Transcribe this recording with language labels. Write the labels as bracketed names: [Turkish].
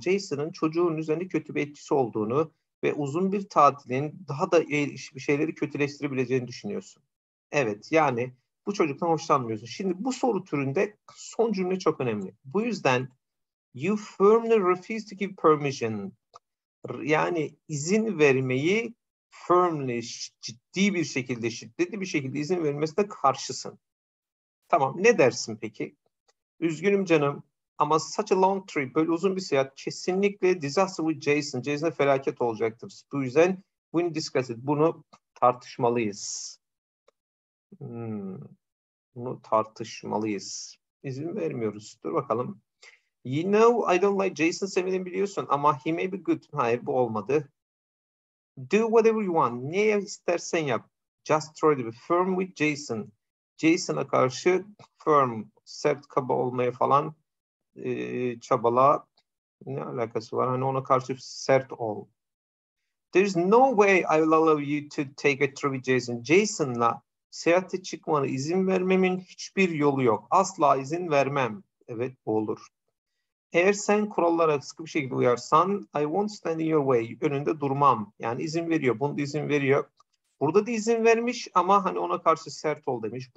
[Turkish] Jason'ın çocuğun üzerinde kötü bir etkisi olduğunu ve uzun bir tatilin daha da şeyleri kötüleştirebileceğini düşünüyorsun. Evet, yani bu çocuktan hoşlanmıyorsun. Şimdi bu soru türünde son cümle çok önemli. Bu yüzden [English] you firmly refuse to give permission. [Turkish] Yani izin vermeyi firmly, ciddi bir şekilde, şiddetli bir şekilde izin verilmesine karşısın. Tamam, ne dersin peki? Üzgünüm canım ama [English] such a long trip, [Turkish] böyle uzun bir seyahat, kesinlikle [English] disaster with Jason. [Turkish] Jason'a felaket olacaktır. Bu yüzden [English] we discuss it. [Turkish] Bunu tartışmalıyız. Bunu tartışmalıyız. İzin vermiyoruz. Dur bakalım. [English] You know I don't like Jason, [Turkish] sevdiğini biliyorsun ama [English] he may be good. [Turkish] Hayır, bu olmadı. [English] Do whatever you want. [Turkish] Ne istersen yap. [English] Just try to be firm with Jason. [Turkish] Jason'a karşı firm, sert, kaba olmaya falan çabala. Ne alakası var? Hani ona karşı sert ol. [English] There's no way I will allow you to take a trip with Jason. [Turkish] Jason'la seyahate çıkmanı izin vermemin hiçbir yolu yok. Asla izin vermem. Evet, bu olur. Eğer sen kurallara sıkı bir şekilde uyarsan, [English] I won't stand in your way. [Turkish] Önünde durmam. Yani izin veriyor. Bunu da izin veriyor. Burada da izin vermiş ama hani ona karşı sert ol demiş.